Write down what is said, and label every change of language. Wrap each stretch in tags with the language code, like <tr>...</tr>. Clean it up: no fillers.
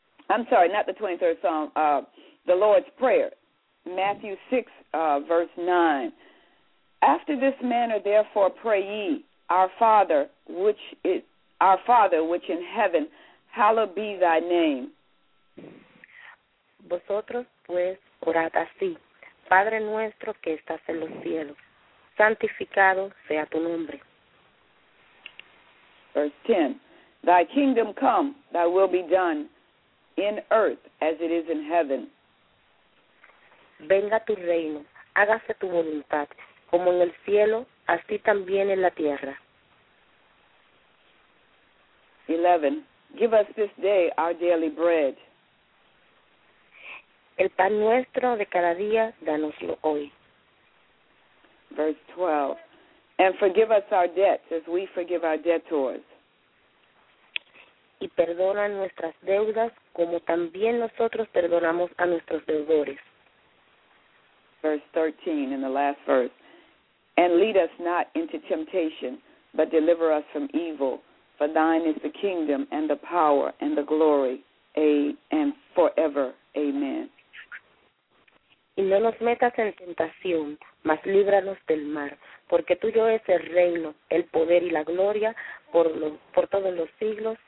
<en>I'm sorry, not the 23rd Psalm, the Lord's Prayer, Matthew 6, verse 9. After this manner, therefore, pray ye, our Father, which in heaven, hallowed be thy name.</en> <es>Vosotros, pues, orad así. Padre nuestro que estás en los cielos, santificado sea tu nombre.</es> <en>Verse 10. Thy kingdom come, thy will be done, in earth as it is in heaven.</en> <es>Venga tu reino, hágase tu voluntad. Como en el cielo, así también en la tierra.</es> <en>11. Give us this day our daily bread.</en> <es>El pan nuestro de cada día, danoslo hoy.</es> <en>Verse 12. And forgive us our debts as we forgive our debtors.</en> <es>Y perdona nuestras deudas como también nosotros perdonamos a nuestros deudores.</es> <en>Verse 13 in the last verse. And lead us not into temptation, but deliver us from evil. For thine is the kingdom and the power and the glory, and forever. Amen.</en> <es>Y no nos metas en tentación, mas líbranos del mal. Porque tuyo es el reino, el poder y la gloria por todos los siglos.</es>